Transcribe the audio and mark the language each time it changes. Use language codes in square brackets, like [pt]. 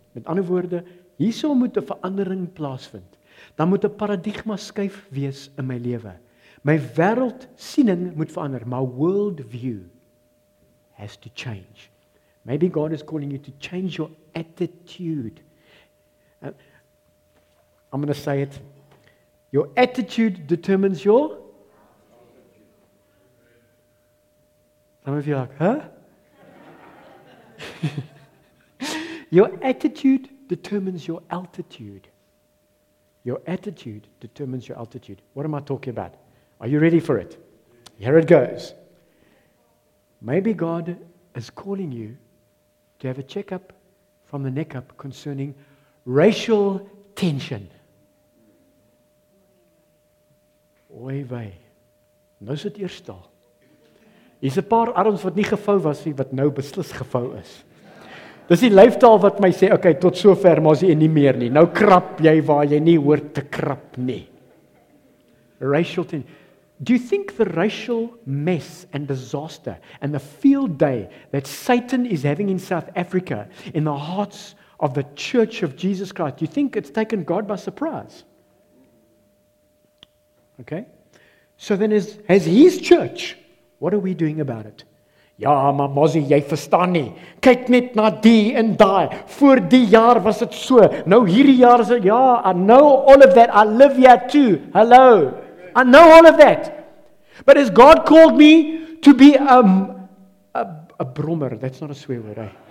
[af] Met ander woorde, hierso moet 'n verandering plaasvind. Dan moet 'n paradigma skuif wees in my lewe. My wêreldsiening moet verander. [en] My world view has to change. Maybe God is calling you to change your attitude. I'm going to say it. Your attitude determines your? Some of you are like, huh? Your attitude determines your altitude. Your attitude determines your altitude. What am I talking about? Are you ready for it? Here it goes. Maybe God is calling you to have a checkup from the neck up concerning racial tension. [af] Oy vey. Nou sit eers daar. Hier's 'n paar arms wat nie gevou was nie wat nou beslis gevou is. Dis die lyftaal wat my sê, okay, tot sover, maar as jy nie meer nie. Nou krap jy waar jy nie hoort te krap nie. [en] Racial tension. Do you think the racial mess and disaster and the field day that Satan is having in South Africa in the hearts of the Church of Jesus Christ, do you think it's taken God by surprise? Okay. So then as his church, what are we doing about it? [af] Ja, maar mosie, jy verstaan nie. Kyk net na die en daai. Voor die jaar was dit so. Nou hierdie jaar is dit, ja, [en] I know all of that. I live here too. Hello. I know all of that. But has God called me to be a brommer? That's not a swear word, eh?